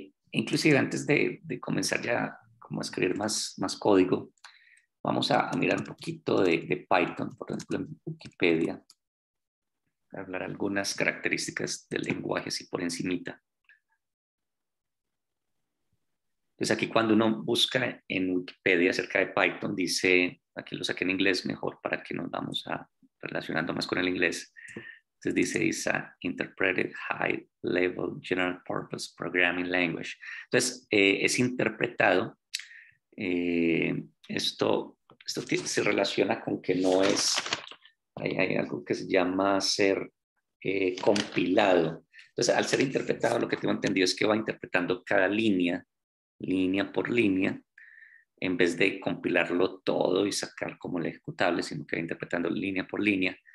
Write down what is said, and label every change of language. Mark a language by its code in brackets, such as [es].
[es] Inclusive antes de comenzar ya como a escribir más código, vamos a mirar un poquito de Python, por ejemplo en Wikipedia, hablar algunas características del lenguaje así por encimita. Entonces aquí cuando uno busca en Wikipedia acerca de Python, dice, aquí lo saqué en inglés mejor para que nos vamos a relacionando más con el inglés. [en] Entonces dice, it's an interpreted high level general purpose programming language. [es] Entonces es interpretado. Esto se relaciona con que no es, hay algo que se llama ser compilado. Entonces al ser interpretado, lo que tengo entendido es que va interpretando cada línea, línea por línea, en vez de compilarlo todo y sacar como el ejecutable, sino que va interpretando línea por línea.